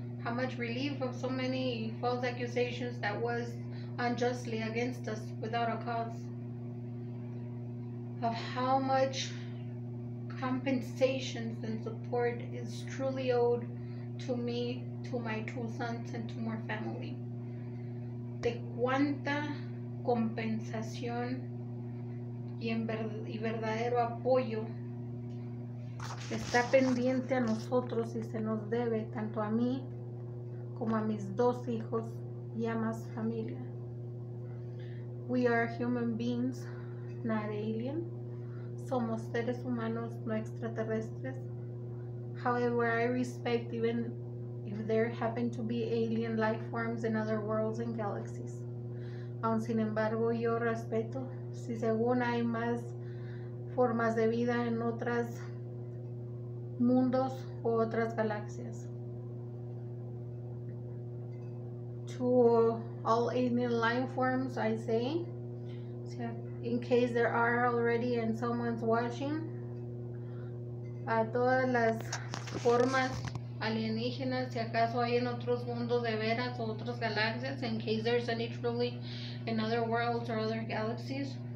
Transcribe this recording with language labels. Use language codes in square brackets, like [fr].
[en] How much relief of so many false accusations that was unjustly against us without a cause. Of how much compensations and support is truly owed to me, to my two sons, and to more family. [es] De cuánta compensación y verdadero apoyo está pendiente a nosotros y se nos debe tanto a mí como a mis dos hijos y a más familia. [en] We are human beings, not alien. [es] Somos seres humanos, no extraterrestres. [en] However, I respect even if there happen to be alien life forms in other worlds and galaxies. [es] Aun sin embargo, yo respeto si según hay más formas de vida en otros mundos u otras galaxias. [en] To all alien life forms, I say, in case there are already and someone's watching, [es] a todas las formas alienígenas, si acaso hay en otros mundos de veras o otras galaxias, [en] in case there's any truly in other worlds or other galaxies.